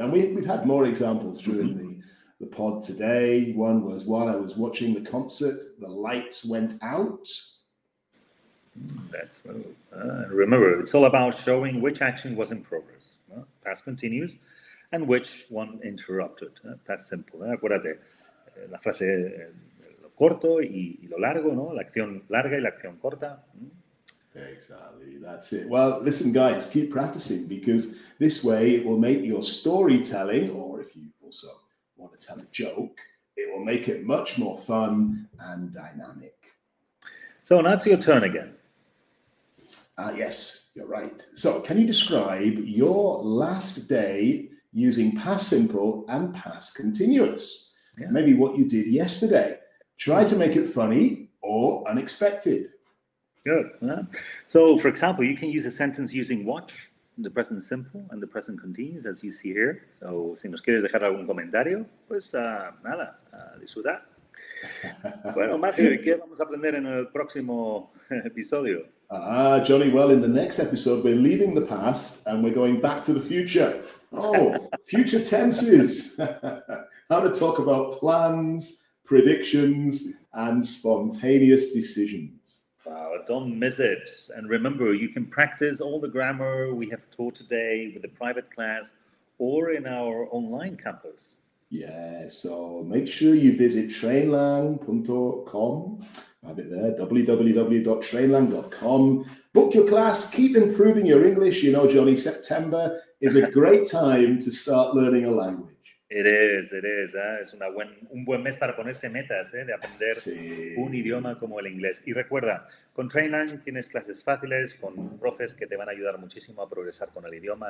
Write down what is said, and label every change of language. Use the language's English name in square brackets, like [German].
[English] And we've had more examples during the pod today. One was while I was watching the concert, the lights went out. That's well. Remember, it's all about showing which action was in progress, past continuous, and which one interrupted. Past simple. [Spanish] Acuérdate, la frase lo corto y lo largo, ¿no? La acción larga y la acción corta. [English] Exactly, that's it. Well, listen, guys, keep practicing because this way it will make your storytelling, or if you also want to tell a joke, it will make it much more fun and dynamic. So now it's your turn again. Yes, you're right. So can you describe your last day using past simple and past continuous? Yeah. Maybe what you did yesterday. Try to make it funny or unexpected. Good. So, for example, you can use a sentence using watch, the present simple, and the present continuous, as you see here. [Spanish] So, si nos quieres dejar algún comentario, pues nada, disfruta. Bueno, Matthew, ¿qué vamos a aprender en el próximo episodio? [English] Johnny, well, in the next episode, we're leaving the past and we're going back to the future. Oh, future tenses. How to talk about plans, predictions, and spontaneous decisions. Wow, don't miss it. And remember, you can practice all the grammar we have taught today with the private class or in our online campus. Yeah, so make sure you visit trainlang.com. I have it there, www.trainlang.com. Book your class, keep improving your English. You know, Johnny, September is a great time to start learning a language. It is. [Spanish] Es un buen mes para ponerse metas, de aprender un idioma como el inglés. Y recuerda, con TrainLang tienes clases fáciles, con profes que te van a ayudar muchísimo a progresar con el idioma.